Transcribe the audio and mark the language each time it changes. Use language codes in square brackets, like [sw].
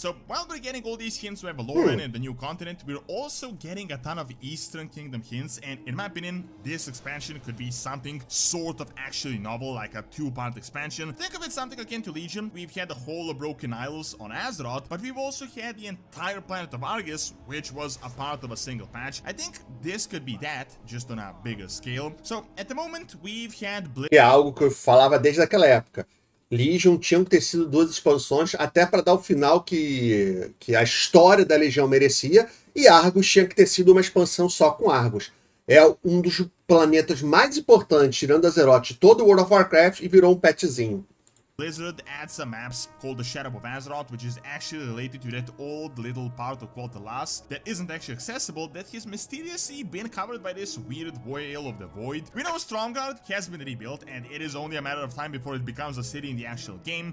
[en] So while we're getting all these hints to Avaloran and the new continent, we're also getting a ton of Eastern Kingdom hints, and in my opinion, this expansion could be something sort of actually novel, like a two-part expansion. Think of it something akin to Legion. We've had the whole of Broken Isles on Azeroth, but we've also had the entire planet of Argus, which was a part of a single patch. I think this could be that, just on a bigger scale. So at the moment, we've had... [pt] É algo que eu falava desde aquela época. Legion tinham que ter sido duas expansões até para dar o final que a história da Legião merecia, e Argus tinha que ter sido uma expansão só com Argus. É um dos planetas mais importantes, tirando Azeroth, de todo o World of Warcraft, e virou um petzinho. [en] Blizzard adds some maps called the Shadow of Azeroth, which is actually related to that old little part of Qualtalas that isn't actually accessible, that has mysteriously been covered by this weird whale of the void. We know Stormguard has been rebuilt, and it is only a matter of time before it becomes a city in the actual game.